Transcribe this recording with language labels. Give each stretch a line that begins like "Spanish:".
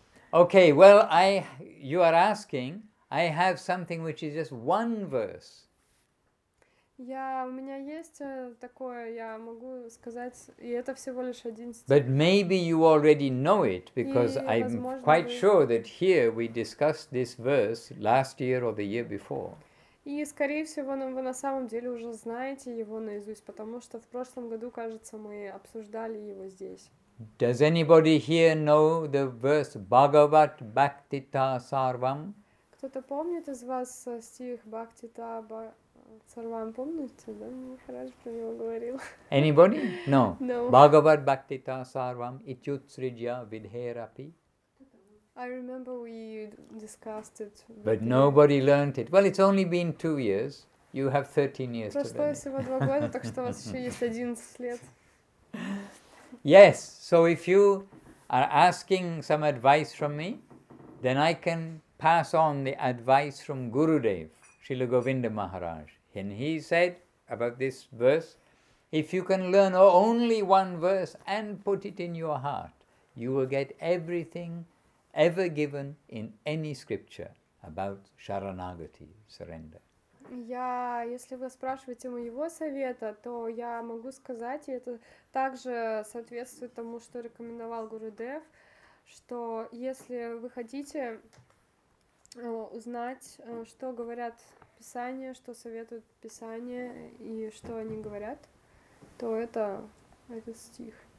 English: Okay, well, you are asking, I have something which is just one verse.
Russian: У меня есть такое, я могу сказать, и это всего лишь один стих.
English: But maybe you already know it, because I'm quite sure that here we discussed this verse last year or the year before.
Russian: И, скорее всего, вы на самом деле уже знаете его наизусть, потому что в прошлом году, кажется, мы обсуждали его здесь.
English: Does anybody here know the verse Bhagavat Bhaktita Sarvam?
Russian: Кто-то помнит из вас стих Бхактита Бхактита? Sarvam, помните, да? Махарадж про него говорил.
English: Anybody? No. No.
Sanskrit: Bhagavad Bhaktita Sarvam Ityutsrijya Vidherapi.
English: I remember we discussed it. But nobody learned it. Well, it's only been 2 years. You have 13 years to learn.
Russian: Прошло всего 2 года, так что у вас еще есть 11 лет.
English: Yes. So if you are asking some advice from me, then I can pass on the advice from Gurudev. Srila Govinda Maharaj, and he said about this verse, if you can learn only one verse and put it in your heart, you will get everything ever given in any scripture about Sharanagati, surrender.
Russian: Если вы спрашиваете моего совета, то я могу сказать, и это также соответствует тому, что рекомендовал Гурудев, что если вы хотите узнать, что говорят Писание, что советуют Писание и что они говорят, то это этот стих.